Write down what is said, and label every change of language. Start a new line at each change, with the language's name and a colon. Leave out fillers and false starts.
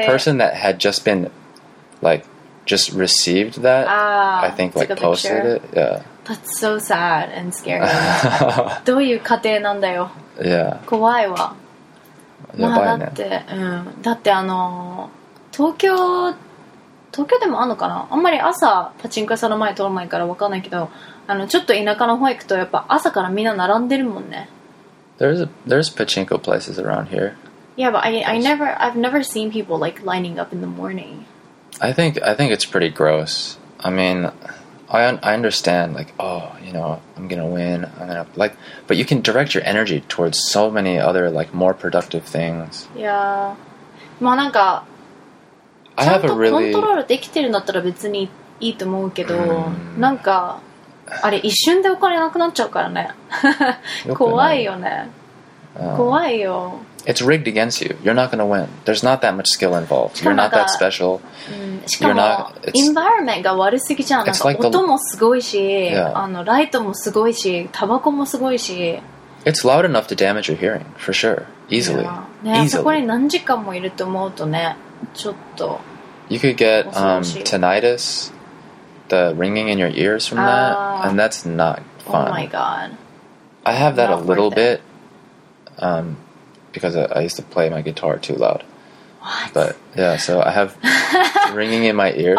English: The person that had just been, like, just received that, I think, like, posted it. Yeah. That's so sad and scary.
Japanese: どういう過程なんだよ。
English: Yeah.
Japanese: 怖いわ。やばいね。まあ、だって、だってあの、東京でもあるのかな。あんまり朝パチンコ屋さんの前通らないから分かんないけど、あのちょっと田舎の方行くとやっぱ朝からみんな並んでるもんね。
English: There's pachinko places around here. Yeah, but I've never seen people like lining up in the morning. I think it's pretty gross. I mean, I understand, like, oh, you know, I'm going to win. I'm going to, like, but you can direct your energy towards so many other, like, more productive things. Yeah. まあなんか、 I have a really...
Japanese: ちゃんとコントロールできてるんだったら別にいいと思うけど、なんか、あれ一瞬でお金なくなっちゃうからね。怖いよね。怖いよ。
English: It's rigged against you. You're not going to win. There's not that much skill involved. You're not that special.
Japanese: しかも、environment が悪すぎじゃん。なんか音もすごいし、あの、ライトもすごいし、タバコもすごいし。
English: It's loud enough to damage your hearing, for sure. Easily.
Japanese: Yeah. ね、そこに何時間もいると思うとね、ちょっと。
English: You could get, tinnitus, the ringing in your ears from that, and that's not fun. Oh my god. I have that a little bit. Because I used to play my guitar too loud. What? But yeah, so I have ringing in my ears.